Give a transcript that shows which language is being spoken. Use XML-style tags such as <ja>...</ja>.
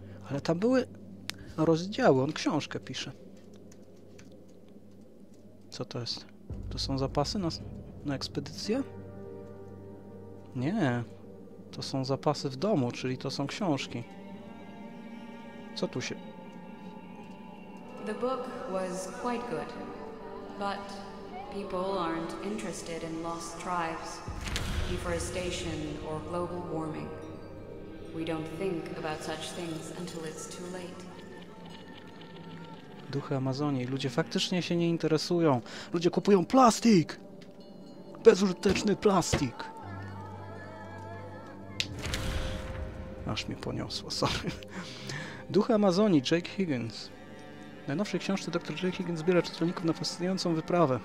<pl>Ale tam były rozdziały, on książkę pisze. Co to jest? To są zapasy na ekspedycję? Nie. To są zapasy w domu, czyli to są książki. Co tu się...</pl> <en>The book was quite good, but... People aren't interested in lost tribes, deforestation, or global warming. We don't think about such things until it's too late.</en> <pl>Duchy Amazonii. Ludzie faktycznie się nie interesują. Ludzie kupują plastik! Bezużyteczny plastik! Aż mnie poniosło, sorry. Duchy Amazonii. Jake Higgins. W najnowszej książce dr J. Higgins zbiera czytelników na fascynującą wyprawę.</pl>